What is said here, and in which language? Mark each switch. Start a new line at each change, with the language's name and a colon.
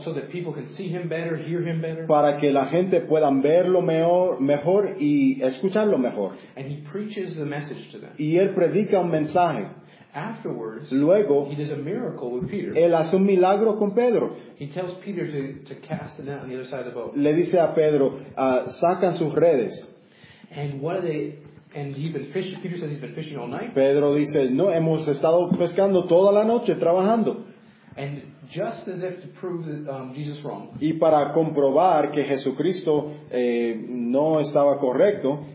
English: So that people can see him better, hear him better.
Spanish: Para que la gente puedan verlo mejor y escucharlo mejor.
English: And he preaches the message to them.
Spanish: Y él predica un mensaje.
English: Afterwards,
Spanish: luego,
English: he does a miracle with Peter.
Spanish: Él hace un milagro con Pedro.
English: He tells Peter to cast the net on the other side of the boat.
Spanish: Le dice a Pedro, sacan sus redes.
English: And what are they? And he's been fishing. Peter says he's been fishing all night.
Spanish: Pedro dice, no, hemos estado pescando toda la noche trabajando.
English: And just as if to prove that, Jesus wrong.
Spanish: Y para comprobar que Jesucristo no estaba correcto,